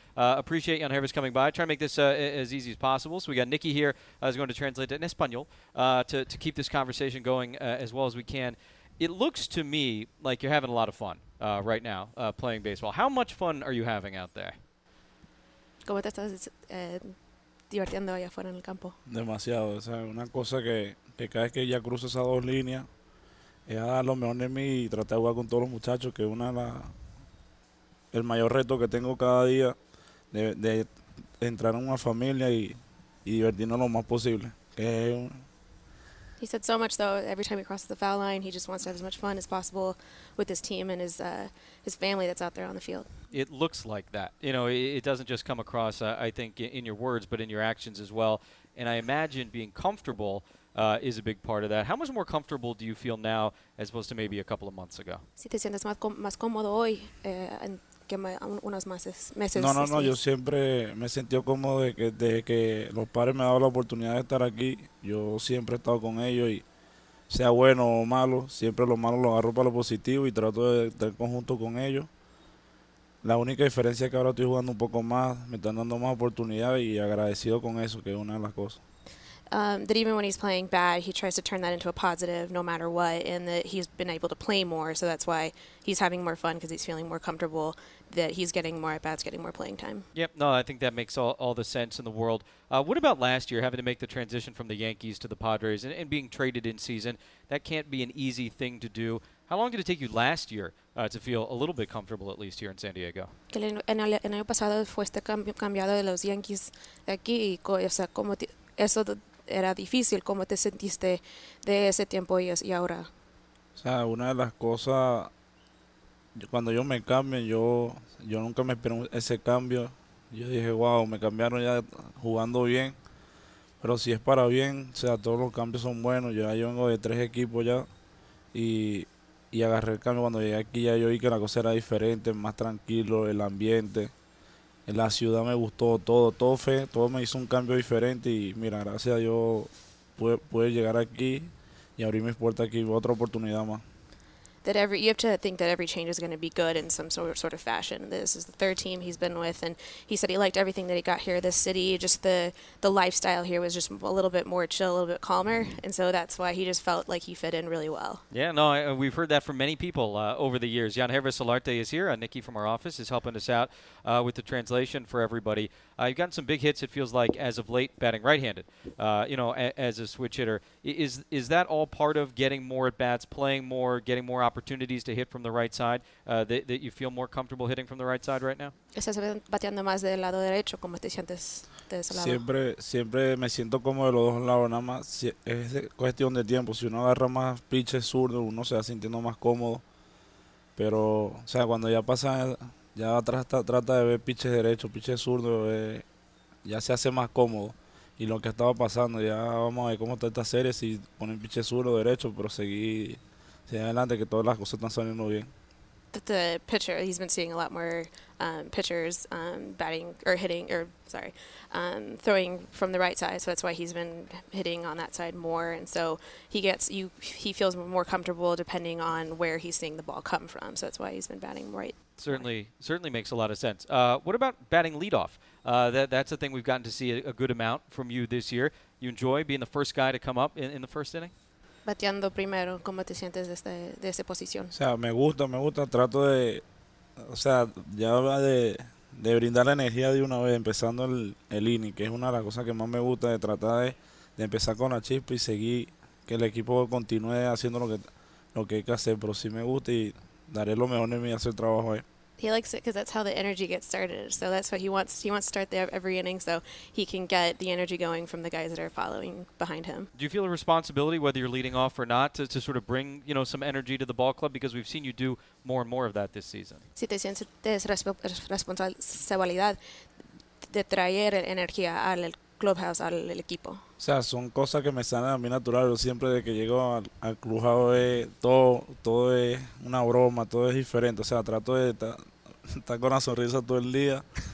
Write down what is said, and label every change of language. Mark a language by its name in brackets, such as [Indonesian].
[English] Appreciate Jan Hervis coming by. Try to make this as easy as possible. So we got Nikki here who's going to translate it in Espanol to keep this conversation going as well as we can. It looks to me like you're having a lot of fun right now playing baseball. How much fun are you having out there? [Spanish] ¿Cómo te estás divirtiendo allá afuera en el campo? Demasiado. O sea, una cosa que cada vez que ya cruzo esas dos líneas, es a dar lo mejor de mí y tratar de jugar con todos los muchachos, que es el mayor reto que tengo cada día de entrar en una familia y divertirnos lo más posible. [English] He said so much, though, every time he crosses the foul line, he just wants to have as much fun as possible with his team and his family that's out there on the field. It looks like that. You know, it doesn't just come across, I think, in your words, but in your actions as well. And I imagine being comfortable is a big part of that. How much more comfortable do you feel now as opposed to maybe a couple of months ago? [Spanish] Si te sientes más cómodo hoy que unos meses. No, yo siempre me he sentido cómodo desde que los padres me han dado la oportunidad de estar aquí. Yo siempre he estado con ellos y sea bueno o malo, siempre lo malo lo agarro para lo positivo y trato de estar en conjunto con ellos. La única diferencia es que ahora estoy jugando un poco más, me están dando más oportunidades y agradecido con eso, que es una de las cosas. [English] That even when he's playing bad, he tries to turn that into a positive no matter what, and that he's been able to play more, so that's why he's having more fun, because he's feeling more comfortable, that he's getting more at-bats, getting more playing time. Yep, no, I think that makes all the sense in the world. What about last year, having to make the transition from the Yankees to the Padres and being traded in season? That can't be an easy thing to do. How long did it take you last year to feel a little bit comfortable, at least here in San Diego? [Spanish] En el año pasado fuiste cambiado de los Yankees aquí, y, o sea, como eso era difícil, ¿cómo te sentiste de ese tiempo y ahora? O sea, una de las cosas, cuando yo me cambio, yo nunca me esperé ese cambio. Yo dije, wow, me cambiaron ya jugando bien. Pero si es para bien, o sea, todos los cambios son buenos. Yo vengo de tres equipos ya y agarré el cambio. Cuando llegué aquí ya yo vi que la cosa era diferente, más tranquilo, el ambiente. En la ciudad me gustó todo, todo me hizo un cambio diferente y mira, gracias a Dios pude llegar aquí y abrir mis puertas aquí, otra oportunidad más. [English] That every you have to think that every change is going to be good in some sort of fashion. This is the third team he's been with, and he said he liked everything that he got here, this city, just the lifestyle here was just a little bit more chill, a little bit calmer, and so that's why he just felt like he fit in really well. Yeah, no, we've heard that from many people over the years. Jan Hervis Solarte is here. Nikki from our office is helping us out with the translation for everybody. You've gotten some big hits, it feels like, as of late, batting right-handed, as a switch hitter. Is that all part of getting more at-bats, playing more, getting more opportunities to hit from the right side, that you feel more comfortable hitting from the right side right now? [Spanish] ¿Estás bateando más del lado derecho? ¿Cómo te sientes de ese lado? Siempre me siento como de los dos lados, nada más. Si es cuestión de tiempo. Si uno agarra más pitches zurdo, uno se va sintiendo más cómodo. Pero, o sea, cuando ya pasa... Ya trata de ver pitches derecho, pitches zurdo, ya se hace más cómodo. Y lo que estaba pasando, ya vamos a ver cómo está esta serie, si ponen pitches zurdo derecho, pero seguir adelante, que todas las cosas están saliendo bien. [English] The pitcher, he's been seeing a lot more pitchers batting or hitting or sorry, throwing from the right side. So that's why he's been hitting on that side more. And so he feels more comfortable depending on where he's seeing the ball come from. So that's why he's been batting right. Certainly makes a lot of sense. What about batting leadoff? That's a thing we've gotten to see a good amount from you this year. You enjoy being the first guy to come up in the first inning? [Spanish] Bateando primero, ¿cómo te sientes de esa posición? O sea, me gusta, trato de, o sea, ya de, de brindar la energía de una vez, empezando el inning, que es una de las cosas que más me gusta, de tratar de empezar con la chispa y seguir que el equipo continúe haciendo lo que hay que hacer. Pero sí me gusta y daré lo mejor de mí a hacer trabajo ahí. [English] He likes it because that's how the energy gets started. So that's what he wants. He wants to start every inning so he can get the energy going from the guys that are following behind him. Do you feel a responsibility, whether you're leading off or not, to sort of bring, you know, some energy to the ball club? Because we've seen you do more and more of that this season. [Spanish] Sí, te sientes responsabilidad de traer energía al clubhouse, al equipo. O sea, son cosas que me salen a mí natural. Yo siempre de que llego al clubhouse, todo es una broma, todo es diferente. O sea, trato de estar con la sonrisa todo el día.